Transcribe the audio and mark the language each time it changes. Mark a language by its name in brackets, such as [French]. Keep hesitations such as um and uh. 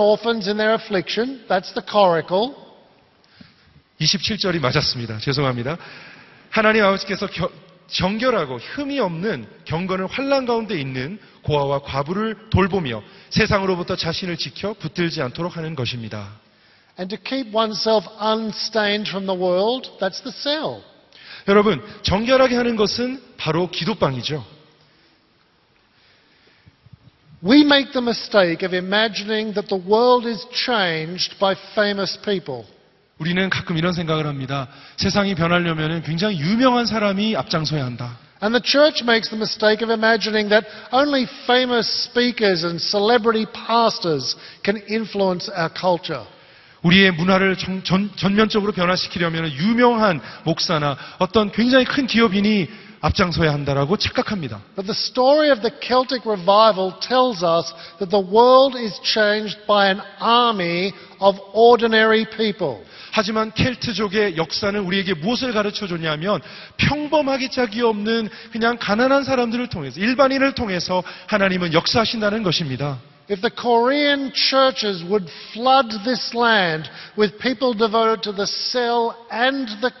[English] orphans in their affliction. That's the coracle. [Korean] 27절이 맞았습니다. 죄송합니다. 하나님 아버지께서 겨, 정결하고 흠이 없는 경건을 환란 가운데 있는 고아와 과부를 돌보며 세상으로부터 자신을 지켜 붙들지 않도록 하는 것입니다. [English] And to keep oneself unstained from the world, that's the cell. [Korean] 여러분, 정결하게 하는 것은 바로 기도방이죠. [English] We make the mistake of imagining that the world is changed by famous people. [Korean] 우리는 가끔 이런 생각을 합니다. 세상이 변하려면 굉장히 유명한 사람이 앞장서야 한다. [English] And the church makes the mistake of imagining that only famous speakers and celebrity pastors can influence our culture. [Korean] 우리의 문화를 전, 전, 전면적으로 변화시키려면 유명한 목사나 어떤 굉장히 큰 기업인이 앞장서야 한다라고 착각합니다. [English] But the story of the Celtic revival tells us that the world is changed by an army of ordinary people. [Korean] 하지만 켈트족의 역사는 우리에게 무엇을 가르쳐 줬냐면 평범하기 짝이 없는 그냥 가난한 사람들을 통해서 일반인을 통해서 하나님은 역사하신다는 것입니다. [English] If the Korean churches would flood this land with people devoted to the cell and the